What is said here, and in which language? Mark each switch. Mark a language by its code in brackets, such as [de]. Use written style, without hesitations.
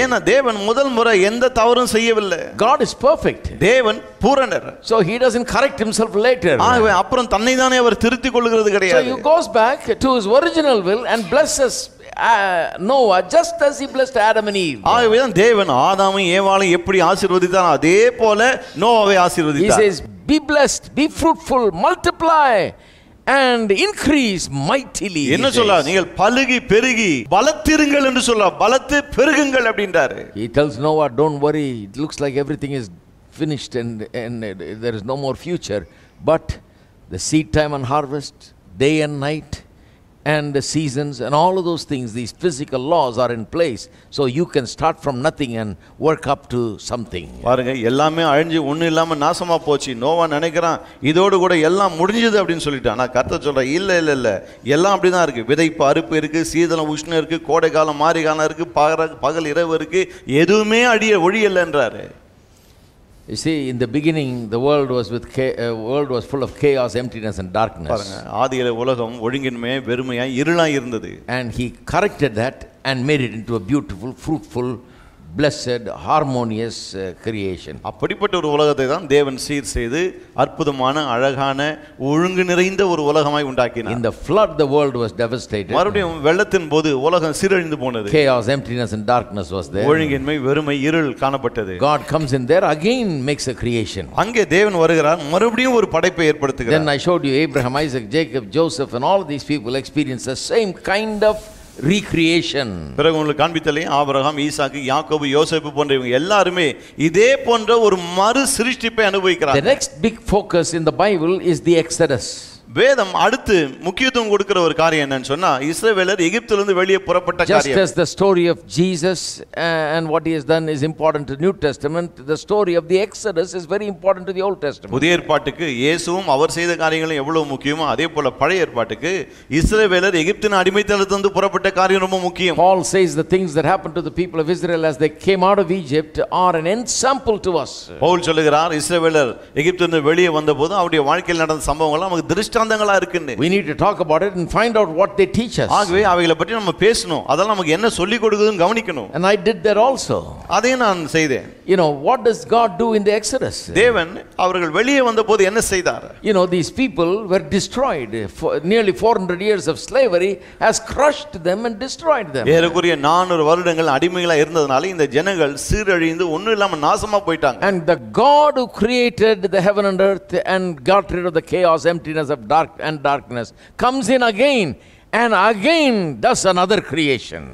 [ta] ஏனா தேவன் முதல் முறை எந்த தவறும் செய்யவில்லை. [en] God is perfect. [ta] தேவன் பூரணர். [en] So he doesn't correct himself later. [ta] ஆகவே அப்புறம் தன்னை தானே அவர் திருத்திக் கொள்கிறது கிடையாது. [en] So he goes back to his original will and blesses Noah just as he blessed Adam and Eve. [ta] ஆகவே தான் தேவன் ஆதாமை ஏவாளை எப்படி ஆசீர்வதித்தான் அதே போல நோவாவை ஆசீர்வதித்தார். [en] He says, be blessed, be fruitful, multiply and increase mightily. [ta] என்ன சொல்றார், நீங்கள் பலுகி பெருகி பலத்திருங்கள் என்று சொல்றார், பலத்து பெருகுங்கள் அப்படின்றாரு. [en] He tells Noah, don't worry, it looks like everything is finished and there is no more future, but the seed time and harvest, day and night and the seasons and all of those things, these physical laws are in place, so you can start from nothing and work up to something. [ta] பாருங்க எல்லாமே அழிஞ்சு ஒண்ணு இல்லாம நாசமா போச்சு. நோவா நினைக்கிறான் இதோடு கூட எல்லாம் முடிஞ்சது அப்படின்னு சொல்லிட்டு, ஆனா கர்த்தர் சொல்ற இல்ல இல்ல இல்ல எல்லாம் அப்படிதான் இருக்கு. விதைப்பு அறுப்பு இருக்கு, சீதனம் உஷ்ணம் இருக்கு, கோடை காலம் மாறி காலம் இருக்கு, பகல் இரவு இருக்கு, எதுவுமே அடிய ஒழி இல்லைன்றாரு. [en] You see, in the beginning the world was with world was full of chaos, emptiness and darkness. [ta] பாருங்க ஆதியிலே உலகம் ஒழுங்கின்மை வெறுமையா இருளா இருந்தது. [en] And he corrected that and made it into a beautiful, fruitful, blessed, harmonious creation. [ta] அப்படிப்பட்ட ஒரு உலகத்தை தான் தேவன் சீர் செய்து அற்புதமான, அழகான, ஒழுங்கு நிறைந்த ஒரு உலகமாய் உண்டாக்கினார். [en] In the flood the world was devastated. [ta] மறுபடியும் வெள்ளத்தின் போது உலகம் சீரழிந்து போனது. [en] Chaos, emptiness and darkness was there. [ta] ஒழுங்கின்மை, வெறுமை, இருள் காணப்பட்டது. [en] God comes in there again, makes a creation. [ta] அங்கே தேவன் வருகிறார், மறுபடியும் ஒரு படைப்பை ஏற்படுத்துகிறார். [en] Then I showed you Abraham, Isaac, Jacob, Joseph and all of these people experienced the same kind of recreation. [ta] பிறகு உங்களுக்கு காண்பித்தலையும் ஆபிரகாம், ஈசாக்கு, யாக்கோபு, யோசேப்பு போன்ற இவங்க எல்லாருமே இதே போன்ற ஒரு மறு சிருஷ்டிப்பை அனுபவிக்கிறார். [en] The next big focus in the Bible is the Exodus. [ta] வேதம் அடுத்து முக்கியத்துவம் கொடுக்கிற ஒரு காரியம் என்னன்னு சொன்னா, இஸ்ரவேலர் எகிப்திலிருந்து வெளியே புறப்பட்ட காரியம். [en] Just as the story of Jesus and what he has done is important to the New Testament, the story of the Exodus is very important to the Old Testament. [ta] புதிய ஏற்பாட்டுக்கு இயேசுவும் அவர் செய்த காரியங்களும் எவ்வளவு முக்கியமோ, அதே போல பழைய ஏற்பாட்டுக்கு இஸ்ரவேலர் எகிப்தின் அடிமைத்தனத்திலிருந்து புறப்பட்ட காரியம் ரொம்ப முக்கியம். [en] Paul says the things that happened to the people of Israel as they came out of Egypt are an ensample to us. [ta] Pavul சொல்கிறார், இஸ்ரவேலர் எகிப்திலிருந்து வெளியே வந்தபோது அவருடைய வாழ்க்கையில் நடந்த சம்பவங்கள் நமக்கு ஸ்டாண்டங்களா இருக்குன்னு. [en] We need to talk about it and find out what they teach us. [ta] ஆகவே அவங்கள பத்தி நம்ம பேசணும், அதெல்லாம் நமக்கு என்ன சொல்லி கொடுக்குதுன்னு கவனிக்கணும். [en] And I did that also. [ta] அதே நான் செய்தேன். [en] You know, what does God do in the Exodus? [ta] தேவன் அவர்கள் வெளியே வந்தபோது என்ன செய்தார்? [en] You know, these people were destroyed. Nearly 400 years of slavery has crushed them and destroyed them. [ta] ஏறக்குறைய 400 வருடங்கள் அடிமைகளா இருந்ததனால இந்த ஜனங்கள் சீரழிந்து ஒண்ணு இல்லாம நாசமா போயிட்டாங்க. [en] And the God who created the heaven and earth and got rid of the chaos, emptiness of dark and darkness comes in again and again does another creation.